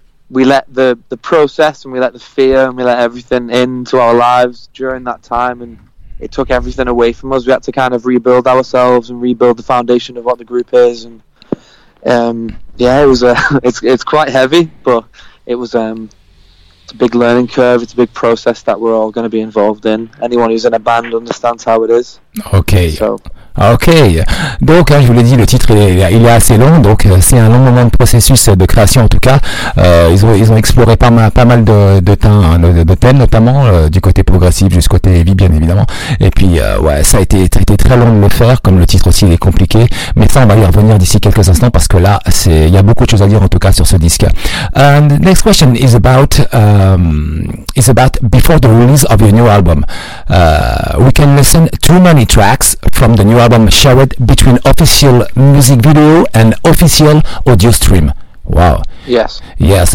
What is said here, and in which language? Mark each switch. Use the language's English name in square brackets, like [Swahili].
[English] we let the process and we let the fear and we let everything into our lives during that time, and it took everything away from us. We had to kind of rebuild ourselves and rebuild the foundation of what the group is. And it's quite heavy, but it was it's a big learning curve. It's a big process that we're all going to be involved in. Anyone who's in a band understands how it is. Okay. So. [French] Ok, donc hein, je vous l'ai dit, le titre il est assez long, donc c'est un long moment de processus de création en tout cas. Ils ont exploré pas mal de thèmes, hein, de thèmes notamment du côté progressif jusqu'au côté heavy bien évidemment. Et puis ça a été très long de le faire, comme le titre aussi il est compliqué. Mais ça on va y revenir d'ici quelques instants parce que là il y a beaucoup de choses à dire en tout cas sur ce disque. [English] Next question is about before the release of your new album. We can listen too many tracks from the new album shared between official music video and official audio stream. Wow. Yes. Yes.